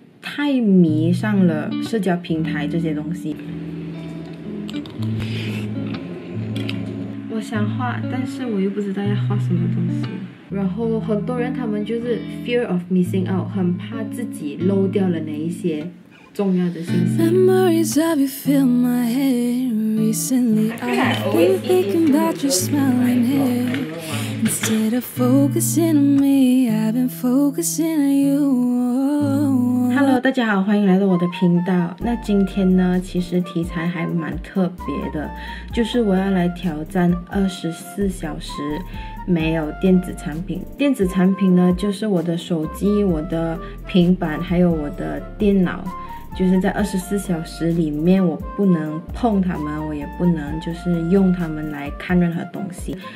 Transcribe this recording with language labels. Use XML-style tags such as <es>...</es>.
<zh>太迷上了社交平台这些东西。我想画，但是我又不知道要画什么东西。然后很多人他们就是</zh> <en>fear of missing out，</en> <zh>很怕自己漏掉了哪一些重要的信息。</zh> <en>Memories of you fill my head recently. I've been thinking about your smiling hair. Instead of focusing on me, I've been focusing on you.</en> <zh>Hello， 大家好，欢迎来到我的频道。那今天呢，其实题材还蛮特别的，就是我要来挑战24小时。没有电子产品，电子产品呢就是我的手机、我的平板还有我的电脑，就是在24小时里面我不能碰它们，我也不能就是用它们来看任何东西。</zh>